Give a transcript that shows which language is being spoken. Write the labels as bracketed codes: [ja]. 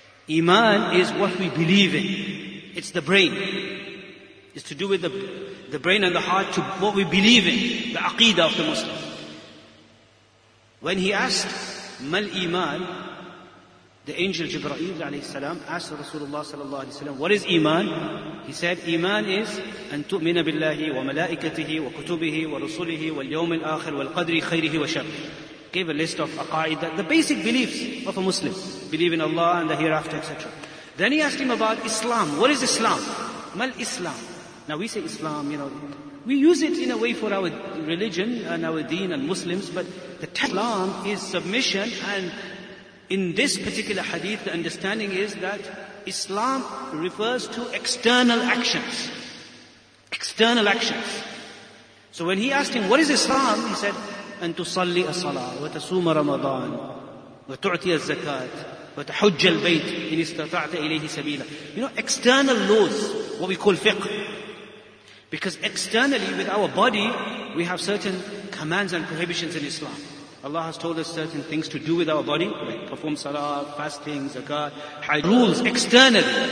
[en] Iman is what we believe in. It's the brain. It's to do with the brain and the heart, to what we believe in, the Aqidah of the Muslim. When he asked, [ar] Mal Iman? [en] The angel Jibreel alayhi salam asked Rasulullah sallallahu alayhi salam, what is Iman? He said, Iman is [ar] أن تؤمن بالله وملائكته وكتبه ورسله واليوم الآخر والقدر خيره وشره. [en] Gave a list of aqaida, the basic beliefs of a Muslim. Believe in Allah and the hereafter, etc. Then he asked him about Islam. What is Islam? [ar] Mal Islam? [en] Now we say Islam, you know, we use it in a way for our religion and our deen and Muslims, but the term Islam is submission. And in this particular hadith, the understanding is that Islam refers to external actions. External actions. So when he asked him, what is Islam? He said, [ar] أن تصلي الصلاة وتصوم رمضان وتعطي الزكاة وتحج البيت إن استطعت إليه سبيلا. [en] You know, external laws, what we call fiqh. Because externally, with our body, we have certain commands and prohibitions in Islam. Allah has told us certain things to do with our body, like perform salah, fasting, zakat, hajj, rules externally.